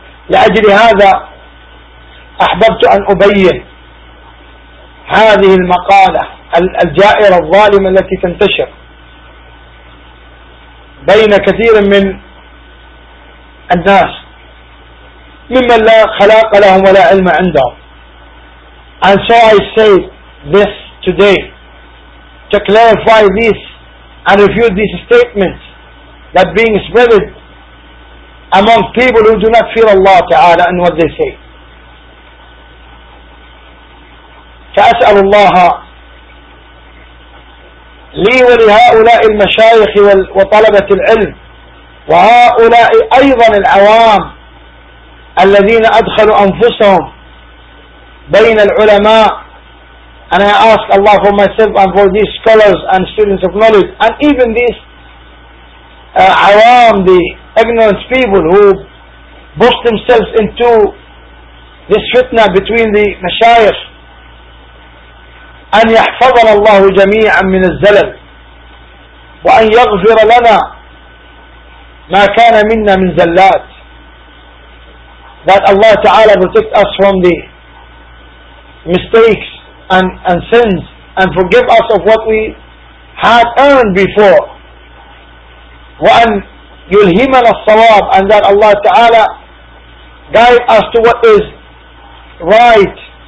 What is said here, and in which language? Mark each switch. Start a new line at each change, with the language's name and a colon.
Arabic: لأجل هذا أحببت أن أبين هذه المقالة الجائرة الظالمة التي تنتشر بين كثير من الناس ممن لا خلاق لهم ولا علم عندهم.
English: And so I say this today to clarify this and refute these statements that being spread among people who do not fear Allah Ta'ala and what they say.
Arabic: فأسأل الله لي ولهؤلاء المشايخ وطلبة العلم وهؤلاء أيضا العوام الذين أدخلوا أنفسهم بين العلماء.
English: And I ask Allah for myself and for these scholars and students of knowledge, and even these awam, the ignorant people who boost themselves into this fitna between the mashayikh.
Arabic: أن يحفظنا الله جميعا من الزلل وأن يغفر لنا ما كان منا من زلات.
English: That Allah Ta'ala protect us from the mistakes and sins, and forgive us of what we had earned before.
Arabic: وأن يلهمنا الصواب,
English: and that Allah Ta'ala guide us to what is right.